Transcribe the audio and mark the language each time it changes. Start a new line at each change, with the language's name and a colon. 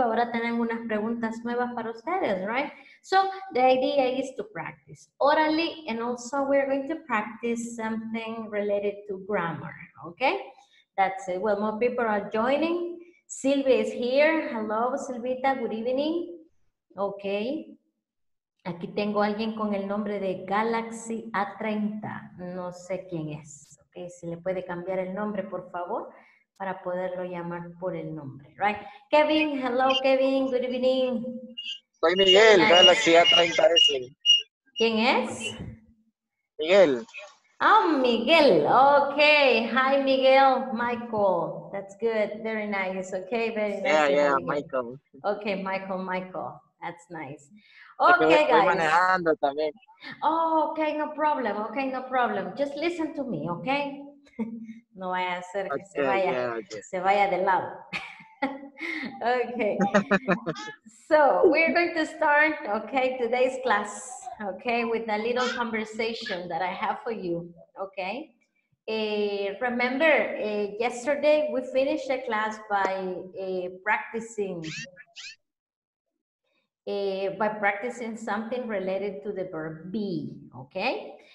Spanish: Ahora tenemos unas preguntas nuevas para ustedes, right?
English: So the idea is to practice orally, and also we're going to practice something related to grammar, okay? That's it. Well, more people are joining. Silvia is here. Hello, Silvita. Good evening. Okay.
Spanish: Aquí tengo alguien con el nombre de Galaxy A30. No sé quién es. Okay. Si le puede cambiar el nombre, por favor, para poderlo llamar por el nombre.
English: Right. Kevin. Hello, Kevin. Good evening.
Spanish: Soy Miguel, Galaxy A30S. ¿Quién es? Miguel.
English: Oh, Miguel. Okay. Hi, Miguel. Michael. That's good. Very nice. Okay. Very nice. Yeah, yeah. Michael. Okay. Michael. That's nice. Okay, guys.
Spanish: Estoy manejando también.
English: Oh, okay. No problem. Okay. No problem. Just listen to me. Okay.
Spanish: No vaya a hacer que se vaya, se vaya de lado.
English: Okay. So we're going to start, okay, today's class. Okay, with a little conversation that I have for you, okay? Remember, yesterday we finished the class by practicing something related to the verb be, okay?